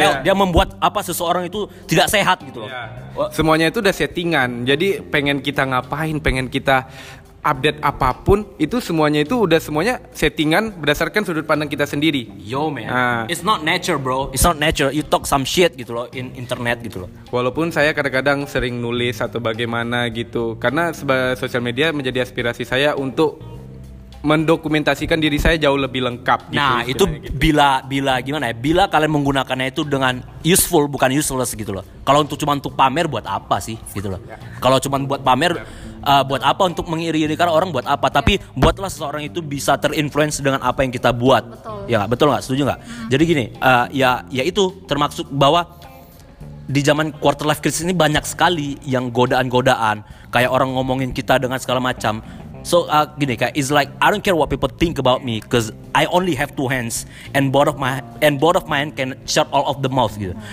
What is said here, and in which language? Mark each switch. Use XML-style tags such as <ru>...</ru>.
<id>Dia membuat apa seseorang itu tidak sehat gitu loh.</id> <en>Yeah.</en> <id>Semuanya itu udah settingan. Jadi pengen kita ngapain, pengen kita update apapun itu semuanya itu udah semuanya settingan berdasarkan sudut pandang kita sendiri.</id> <en>Yo man, it's not nature bro, it's not nature. You talk some shit gitu loh in internet gitu loh.</en> <id>Walaupun saya kadang-kadang sering nulis atau bagaimana gitu, karena sosial media menjadi aspirasi saya untuk mendokumentasikan diri saya jauh lebih lengkap. Nah gitu, itu bila gimana ya? Bila kalian menggunakannya itu dengan useful bukan useless gitu loh. Kalau untuk cuma untuk pamer buat apa sih gitu loh? Kalau cuma buat pamer buat apa, untuk mengiri-irikan orang buat apa? Tapi buatlah seseorang itu bisa terinfluence dengan apa yang kita buat. Betul. Ya nggak? Betul nggak? Setuju nggak? Hmm. Jadi gini ya itu termasuk bahwa di zaman quarter life crisis ini banyak sekali yang godaan-godaan kayak orang ngomongin kita dengan segala macam.</id> <en>So</en> <id>gini kayak</id> <en>it's like I don't care what people think about me cause I only have two hands and both of my hands can shut all of the mouth gitu.</en>